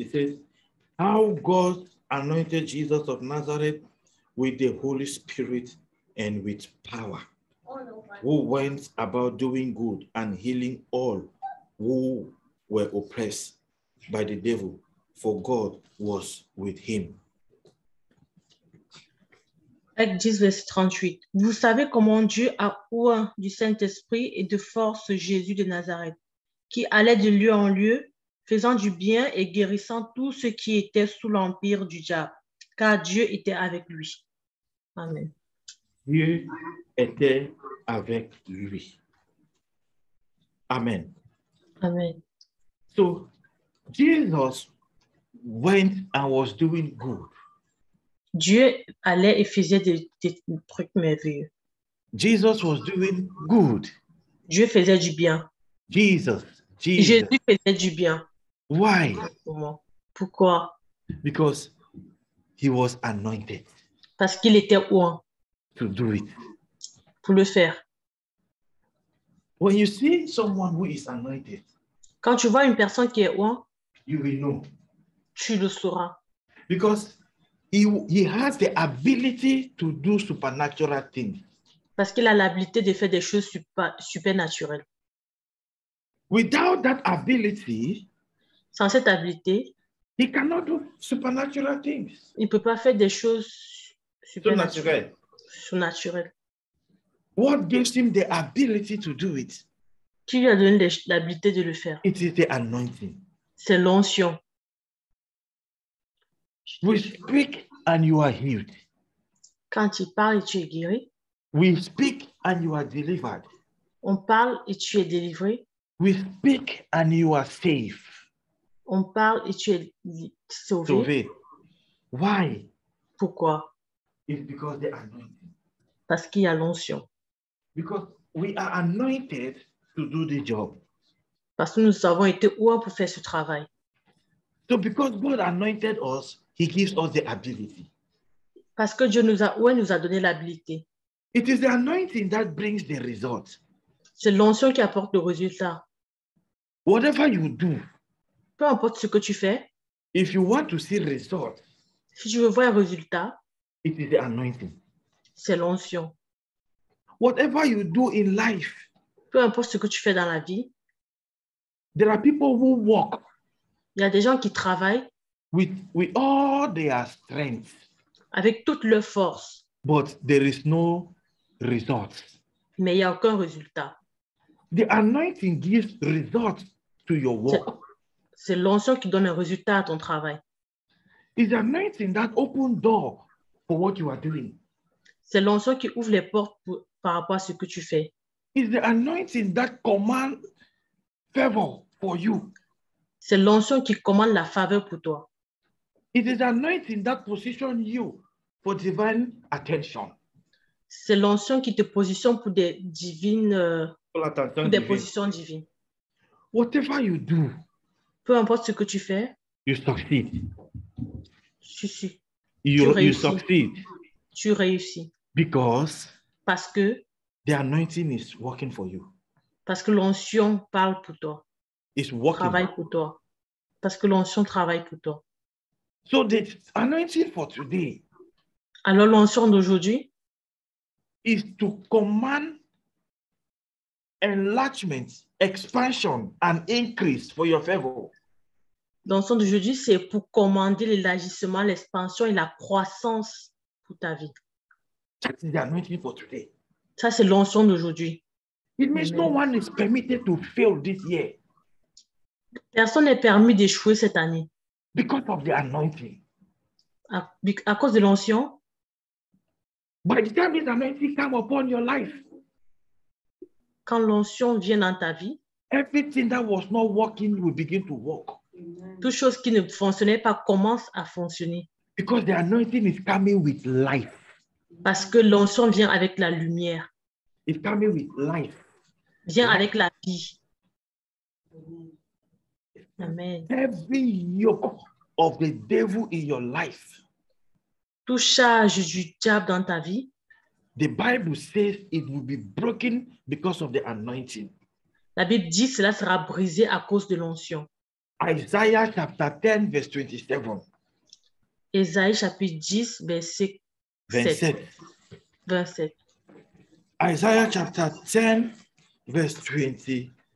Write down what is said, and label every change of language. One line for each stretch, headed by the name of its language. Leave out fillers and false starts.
English: It says, how God anointed Jesus of Nazareth with the Holy Spirit and with power, who went about doing good and healing all who were oppressed by the devil, for God was with him.
French: Acte 10, verset 38. Vous savez comment Dieu a oint du Saint-Esprit et de force Jésus de Nazareth, qui allait de lieu en lieu, faisant du bien et guérissant tout ce qui était sous l'empire du diable, car Dieu était avec lui. Amen. Dieu était avec lui. Amen. Amen.
English: So, Jesus went and was doing good.
French: Dieu allait et faisait des trucs merveilleux.
English: Jesus was doing good.
French: Dieu faisait du bien.
English: Jesus.
French: Jésus faisait du bien.
English: Why?
French: Pourquoi?
English: Because he was anointed.
French: Parce qu'il était oint.
English: To do it.
French: Pour le faire.
English: When you see someone who is anointed,
French: quand tu vois une personne qui est oint,
English: you will know.
French: Tu le sauras.
English: Because he has the ability to do supernatural things.
French: Parce qu'il a l'habilité de faire des choses supernaturelles.
English: Without that ability,
French: sans cette habilité,
English: he cannot do supernatural things.
French: Il ne peut pas faire des choses supernaturelles. Surnaturelles.
English: What gives him the ability to do it?
French: Qui lui a donné l'habilité de le faire?
English: It is the anointing.
French: C'est l'onction.
English: We speak and you are healed.
French: Quand tu parles, tu es guéri.
English: We speak and you are delivered.
French: On parle et tu es délivré.
English: We speak and you are safe.
French: On parle et tu es sauvé. Sauvé.
English: Why?
French: Pourquoi?
English: It's because they are anointed.
French: Parce qu'il y a l'onction.
English: Because we are anointed to do the job.
French: Parce que nous avons été oints pour faire ce travail.
English: So because God anointed us, he gives us the ability.
French: Parce que Dieu nous a oints, nous a donné l'habilité.
English: It is the anointing that brings the result.
French: C'est l'onction qui apporte le résultat.
English: Whatever you do,
French: peu importe ce que tu fais,
English: if you want to see result,
French: si tu veux voir un résultat,
English: it is the anointing.
French: C'est l'onction.
English: Whatever you do in life,
French: peu importe ce que tu fais dans la vie,
English: there are people who walk.
French: Il y a des gens qui travaillent
English: with all their strength,
French: avec toute leur force.
English: But there is no result.
French: Mais il n'y a aucun résultat.
English: The anointing gives results to your work.
French: C'est l'onction qui donne un résultat à ton travail.
English: It's the anointing that opens door for what you are doing.
French: C'est l'onction qui ouvre les portes par rapport à ce que tu fais.
English: It's the anointing that commands favor for you.
French: C'est l'onction qui commande la faveur pour toi.
English: It is the anointing that positions you for divine attention.
French: C'est l'onction qui te positionne pour des divines, pour l'attention pour des divine. Positions divines.
English: Whatever you do,
French: peu importe ce que tu fais,
English: you succeed.
French: Tu
English: succeed.
French: Tu réussis.
English: Because
French: parce que
English: the anointing is working for you.
French: Parce que l'onction parle pour toi.
English: It's working.
French: Travaille pour toi. Parce que l'onction travaille pour toi.
English: So the anointing for today.
French: Alors l'onction d'aujourd'hui
English: is to command enlargement, expansion, and increase for your favor.
French: Dans son de jeudi, c'est pour commander l'élargissement, l'expansion et la croissance pour ta vie.
English: That is the anointing for today.
French: Ça, c'est l'onction d'aujourd'hui.
English: It means no one is permitted to fail this year.
French: Personne n'est permis d'échouer cette année.
English: Because of the anointing.
French: À cause de l'onction.
English: By the time the anointing comes upon your life,
French: quand l'onction vient dans ta vie,
English: everything that was not working will begin to work.
French: Toute chose qui ne fonctionnait pas commence à fonctionner.
English: Because the anointing is coming with life.
French: Parce que l'onction vient avec la lumière.
English: It's coming with life.
French: Vient avec la vie.
English: Amen. Every yoke of the devil in your life.
French: Toute charge du diable dans ta vie.
English: The Bible says it will be broken because of the anointing.
French: La Bible dit cela sera brisé à cause de l'onction.
English: Isaiah chapter 10 verse 27.
French: Isaiah chapitre 10 verset 27.
English: Isaiah chapter 10 verse 27.